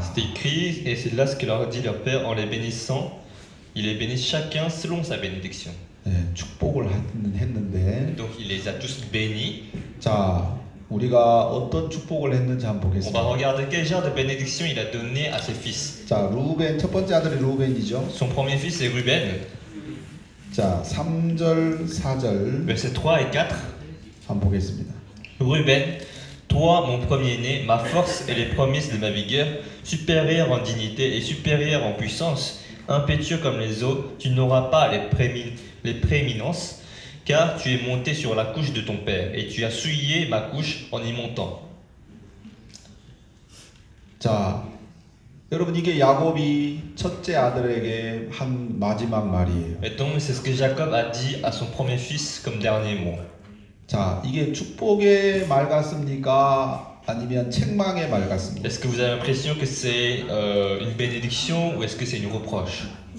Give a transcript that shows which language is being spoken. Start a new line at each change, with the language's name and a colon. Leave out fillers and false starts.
French: C'est écrit et c'est là ce que leur dit leur père en les bénissant. Il les bénit chacun selon sa bénédiction.
Korean: 네, 축복을 했는데.
French: Donc il les a tous bénis.
Korean: 자, 우리가 어떤 축복을 했는지 한번 보겠습니다.
French: On va regarder quel genre de bénédiction il a donné à ses fils.
Korean: 자, 루벤 첫 번째 아들이 루벤이죠.
French: Son premier fils est Ruben.
Korean: 자, 3절, 4절.
French: Verset 3 et 4.
Korean: 한번 보겠습니다.
French: Ruben, toi mon premier-né, ma force et les promesses de ma vigueur, supérieur en dignité et supérieur en puissance, impétueux comme les eaux, tu n'auras pas les prééminences. Car tu es monté sur la couche de ton père et tu as souillé ma couche en y montant.
Korean: 자, 여러분 이게 야곱이 첫째 아들에게 한 마지막 말이에요.
French: Et donc c'est ce que Jacob a dit à son premier fils comme dernier mot.
Korean: 자, 이게 축복의 말 같습니까? 아니면 책망의 말 같습니까?
French: Est-ce que vous avez l'impression que c'est une bénédiction ou est-ce que c'est une reproche?